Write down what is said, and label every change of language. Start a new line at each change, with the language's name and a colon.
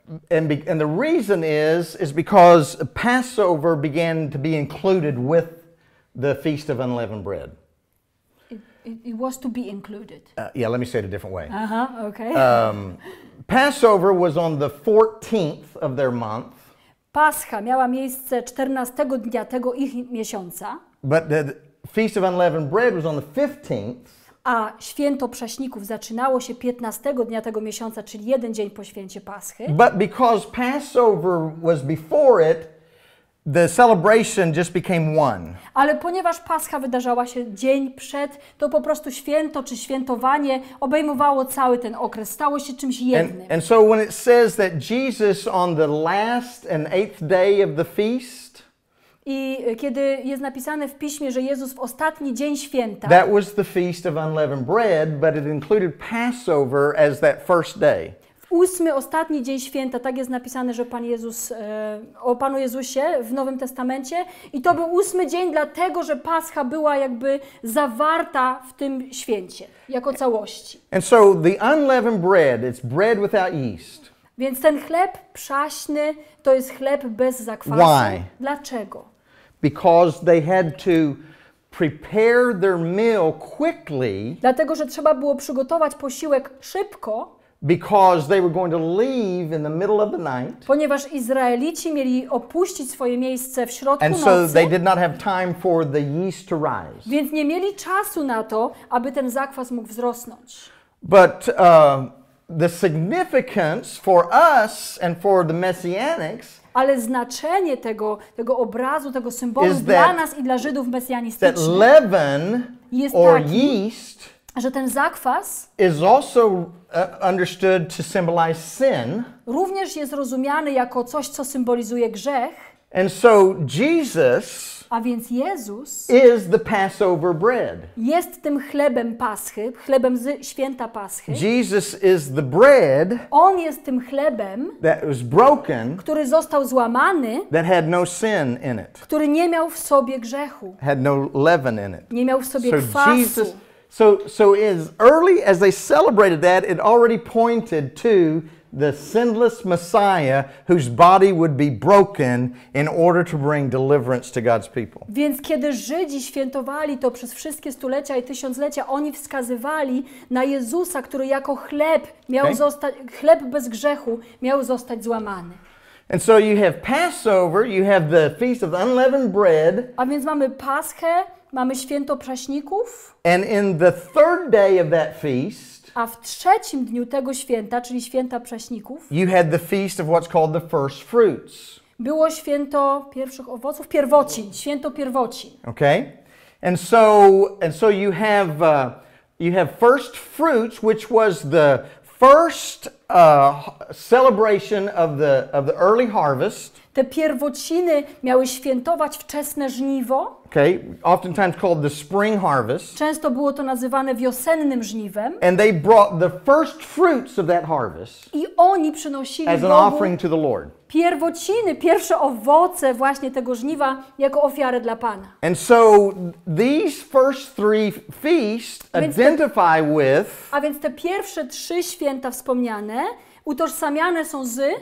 English: And the reason is because Passover began to be included with the Feast of Unleavened Bread. It was to be included. Yeah, let me say it a different way. Uh-huh, okay. Passover was on the 14th of their month.
Polish: Pascha miała miejsce 14 dnia tego ich miesiąca.
English: But the Feast of Unleavened Bread was on the 15th.
Polish: A święto Przaśników zaczynało się 15 dnia tego miesiąca, czyli jeden dzień po święcie Paschy.
English: But because Passover was before it, The celebration just became one.
Polish: Ale ponieważ Pascha wydarzała się dzień przed, to po prostu święto czy świętowanie obejmowało cały ten okres, stało się czymś jednym.
English: And so when it says that Jesus on the last and eighth day of the feast,
Polish: i kiedy jest napisane w piśmie, że Jezus w ostatni dzień święta,
English: that was the feast of unleavened bread, but it included Passover as that first day.
Polish: Ósmy, ostatni dzień święta, tak jest napisane, że Pan Jezus, o Panu Jezusie w Nowym Testamencie. I to był ósmy dzień, dlatego że Pascha była jakby zawarta w tym święcie, jako całości.
English: And so the unleavened bread, it's bread without yeast.
Polish: Więc ten chleb pszaśny to jest chleb bez zakwasu.
English: Why?
Polish: Dlaczego?
English: Because they had to prepare their meal quickly.
Polish: Dlatego, że trzeba było przygotować posiłek szybko.
English: Because they were going to leave in the middle of the night.
Polish: Ponieważ Izraelici mieli opuścić swoje miejsce w środku
English: and
Polish: nocy.
English: And so they did not have time for the yeast to rise.
Polish: Więc nie mieli czasu na to, aby ten zakwas mógł wzrosnąć.
English: But the significance for us and for the messianics.
Polish: Ale znaczenie tego obrazu, tego symbolu dla nas i dla Żydów mesjanistycznych.
English: That leaven or yeast.
Polish: Że ten zakwas
English: is also understood to symbolize sin.
Polish: Również jest rozumiany jako coś, co symbolizuje grzech.
English: And so Jesus,
Polish: a więc Jezus,
English: is the Passover bread.
Polish: Jest tym chlebem Paschy, chlebem z święta Paschy.
English: Jesus is the bread.
Polish: On jest tym chlebem,
English: that was broken,
Polish: który został złamany,
English: that had no sin in it.
Polish: Który nie miał w sobie grzechu.
English: Had no leaven in it.
Polish: Nie miał w sobie kwasu.
English: So as early as they celebrated that, it already pointed to the sinless Messiah whose body would be broken in order to bring deliverance to God's people.
Polish: Więc kiedy Żydzi świętowali to przez wszystkie stulecia i tysiąclecia, oni wskazywali na Jezusa, który jako chleb miał zostać, chleb bez grzechu miał zostać złamany.
English: And so you have Passover, you have the Feast of Unleavened Bread.
Polish: A więc mamy Paschę, mamy święto prześników.
English: And in the third day of that feast,
Polish: a w trzecim dniu tego święta, czyli święta prześników,
English: you had the feast of what's called the first fruits.
Polish: Było święto pierwszych owoców, pierwocin, święto pierwocin.
English: Okay, and so you have first fruits, which was the first celebration of the early harvest.
Polish: Te pierwociny miały świętować wczesne żniwo.
English: Okay, oftentimes called the spring harvest.
Polish: Często było to nazywane wiosennym żniwem.
English: And they brought the first fruits of that harvest.
Polish: I oni przynosili
English: as an offering to the Lord.
Polish: Pierwociny, pierwsze owoce właśnie tego żniwa jako ofiarę dla Pana.
English: And so these first three feasts identify with.
Polish: A więc te pierwsze trzy święta wspomniane utożsamiane są z